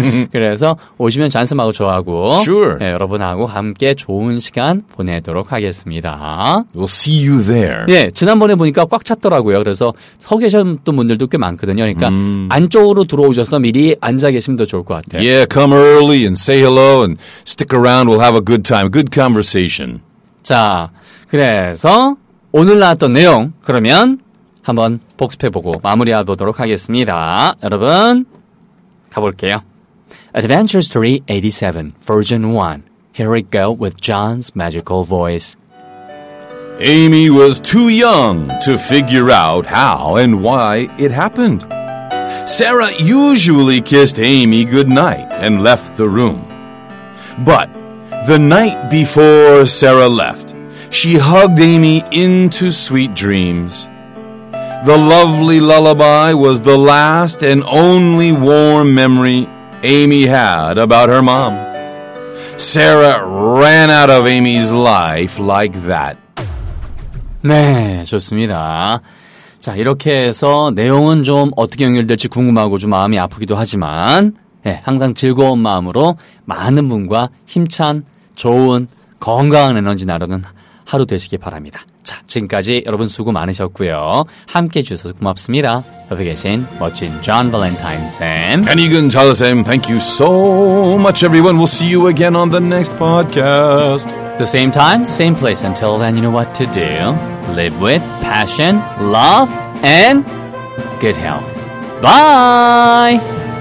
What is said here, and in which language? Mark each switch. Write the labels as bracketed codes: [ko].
[ko] 그래서 오시면 잔스마고 좋아하고 [en] sure. [ko] 예, 여러분하고 함께 좋은 시간 보내도록 하겠습니다. [en] We'll see you there. [ko] 예, 지난번에 보니까 꽉 찼더라고요. 그래서 서 계셨던 분들도 꽤 많거든요. 그러니까 안쪽으로 들어오셔서 미리 앉아 계시면 더 좋을 것 같아요. [en] Yeah, come early and say hello and stick around. We'll have a good time. Good conversation. [ko] 자, 그래서 오늘 나왔던 내용 그러면 한번 복습해보고 마무리해보도록 하겠습니다. 여러분 가볼게요. [en] Adventure Story 87 Version 1 Here we go with John's magical voice. Amy was too young to figure out how and why it happened. Sarah usually kissed Amy goodnight and left the room. But the night before Sarah left, she hugged Amy into sweet dreams. The lovely lullaby was the last and only warm memory Amy had about her mom. Sarah ran out of Amy's life like that. [ko] 네, 좋습니다. 자, 이렇게 해서 내용은 좀 어떻게 연결될지 궁금하고 좀 마음이 아프기도 하지만 네, 항상 즐거운 마음으로 많은 분과 힘찬 좋은 건강한 에너지 나누는 하루 되시기 바랍니다. 자, 지금까지 여러분 수고 많으셨고요. 함께해 주셔서 고맙습니다. 옆에 계신 멋진 존 발렌타인 쌤. 안녕히 가세요, 쌤. [en] Thank you so much, everyone. We'll see you again on the next podcast. The same time, same place. Until then, you know what to do. Live with passion, love, and good health. Bye!